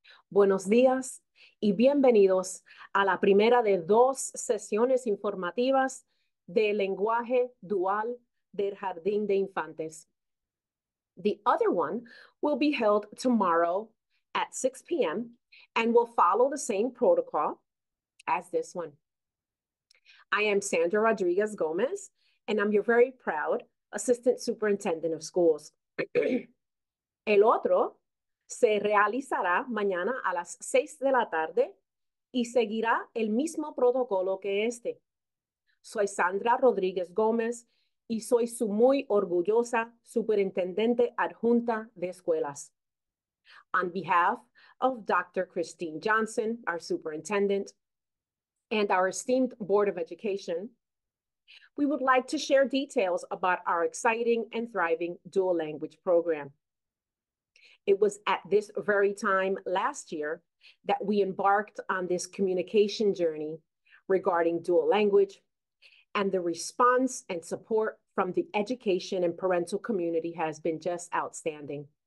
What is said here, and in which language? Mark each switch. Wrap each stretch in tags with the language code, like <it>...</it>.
<es>Buenos días y bienvenidos a la primera de dos sesiones informativas de lenguaje dual del jardín de infantes.</es> <en>The other one will be held tomorrow at 6 p.m. and will follow the same protocol as this one. I am Sandra Rodriguez Gomez, and I'm your very proud Assistant Superintendent of Schools.</en> <es>El otro se realizará mañana a las 6 de la tarde y seguirá el mismo protocolo que este. Soy Sandra Rodriguez Gomez y soy su muy orgullosa Superintendente Adjunta de Escuelas.</es> <en>On behalf of Dr. Christine Johnson, our Superintendent, and our esteemed Board of Education, we would like to share details about our exciting and thriving dual language program. It was at this very time last year that we embarked on this communication journey regarding dual language, and the response and support from the education and parental community has been just outstanding.</en>